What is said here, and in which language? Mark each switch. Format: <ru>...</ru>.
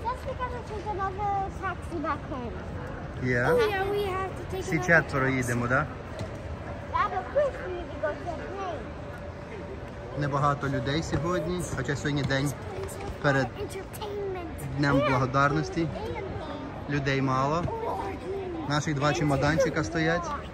<en>Just because I took another taxi back home. Yeah? Oh, yeah, we have to take</en> <uk>Всі</uk> <en>another</en> <uk>четверо</uk> <en>taxi.</en> <uk>Їдемо, да?</uk> <en>Yeah, but first we need to go to the plane.</en> <uk>Небагато людей сьогодні, хоча сьогодні день перед Днем Благодарності. Людей мало. Наших два чемоданчика стоять.</uk>